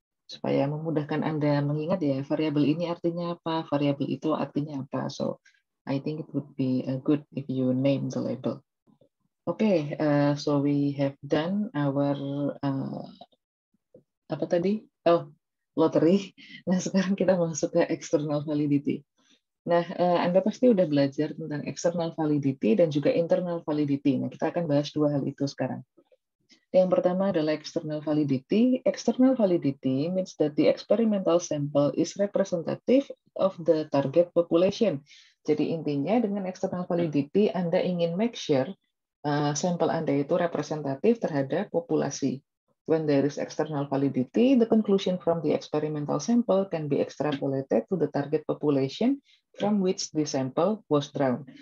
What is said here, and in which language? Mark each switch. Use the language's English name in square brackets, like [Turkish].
[Indonesian] Supaya memudahkan Anda mengingat ya, variabel ini artinya apa, variabel itu artinya apa. [English] So I think it would be good if you name the label. Okay, so we have done our [Indonesian] apa tadi? Oh, lottery. Nah, sekarang kita masuk ke external validity. Nah, Anda pasti udah belajar tentang external validity dan juga internal validity. Nah, kita akan bahas dua hal itu sekarang. Yang pertama adalah external validity. [English] External validity means that the experimental sample is representative of the target population. [Indonesian] Jadi intinya dengan external validity, Anda ingin [English] make sure [Indonesian] sampel Anda itu representatif terhadap populasi. [English] When there is external validity, the conclusion from the experimental sample can be extrapolated to the target population from which the sample was drawn.